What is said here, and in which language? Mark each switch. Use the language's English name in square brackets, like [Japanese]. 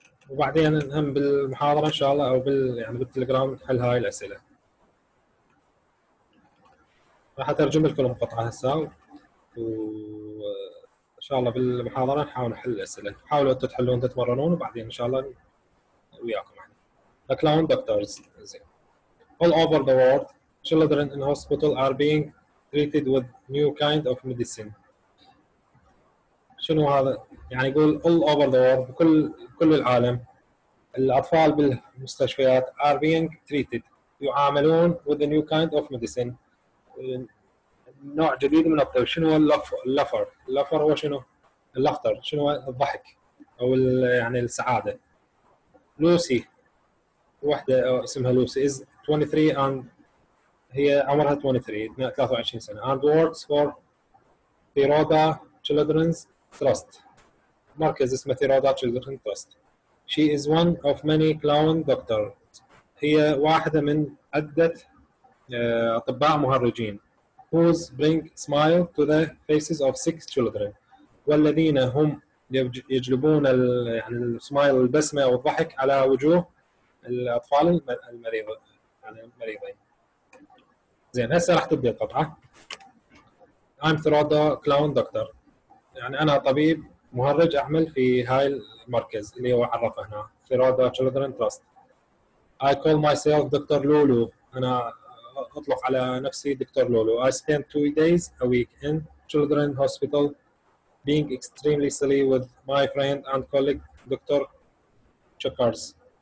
[Arabic] وبعدين هم بالمحاضره ان شاء الله او يعني بالتليجرام نحل هاي الاسئله. راح اترجم لكم القطعه هسه وإن شاء الله بالمحاضرة نحاول نحل الأسئلة. حاولوا أنتوا تحلون تتمرنون وبعدين إن شاء الله وياكم إحنا. [English] The clown doctors. [Arabic] زين. [English] All over the world, children in hospital are being treated with new kind of medicine. [Arabic] شنو هذا؟ يعني يقول [English] all over the world [Arabic] بكل العالم الأطفال بالمستشفيات [English] are being treated [Arabic] يعاملون [English] with a new kind of medicine. [Arabic] نوع جديد من الطب. شنو اللفر؟ اللفر هو شنو؟ اللفتر. شنو الضحك او يعني السعاده. لوسي وحده اسمها لوسي [English] is 23 and [Arabic] هي عمرها 23 سنه [English] and works for Theroda Children's Trust. [Arabic] مركز اسمه [English] Theroda Children's Trust. She is one of many clown doctors. [Arabic] هي واحده من عده اطباء مهرجين. [English] Who's bring smile to the faces of six children? [Arabic] والذين هم يجلبون ال يعني السمايل البسمة أو الضحك على وجوه الأطفال المريض يعني المريضين. زين هسه راح تبدأ القطعة. [English] I'm Theroda clown doctor. [Arabic] يعني أنا طبيب مهرج أعمل في هاي المركز اللي هو عرفه هنا Theroda children trust. [English] I call myself doctor Lulu. [Arabic] أنا أطلق على نفسي دكتور لولو. [English] I spend 2 days a week in children hospital being extremely silly with my friend and colleague doctor Chuckers.